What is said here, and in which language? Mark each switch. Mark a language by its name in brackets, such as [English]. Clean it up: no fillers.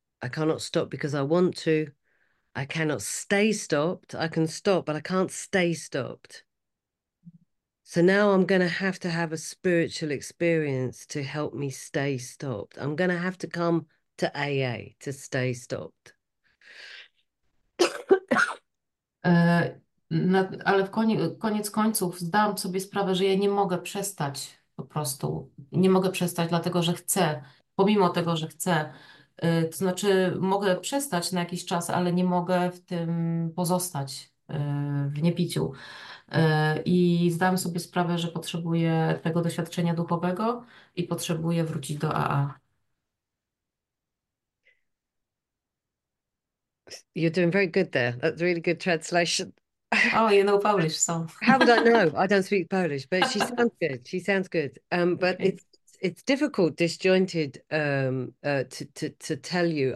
[English] I cannot stop because I want to. I cannot stay stopped. I can stop, but I can't stay stopped. So now I'm going to have a spiritual experience to help me stay stopped. I'm going to have to come to AA to stay stopped. [Polish] Ale koniec końców zdałam sobie sprawę, że ja nie mogę przestać po prostu. Nie mogę przestać, dlatego że chcę. Pomimo tego, że chcę, To znaczy, mogę przestać na jakiś czas, ale nie mogę w tym pozostać, w niepiciu. I zdałam sobie sprawę, że potrzebuję tego doświadczenia duchowego i potrzebuję wrócić do AA. [English] You're doing very good there. That's a really good translation. Oh, you know Polish, so. How would I know? I don't speak Polish, but she sounds good. She sounds good. But Okay. it's difficult, disjointed, to tell you.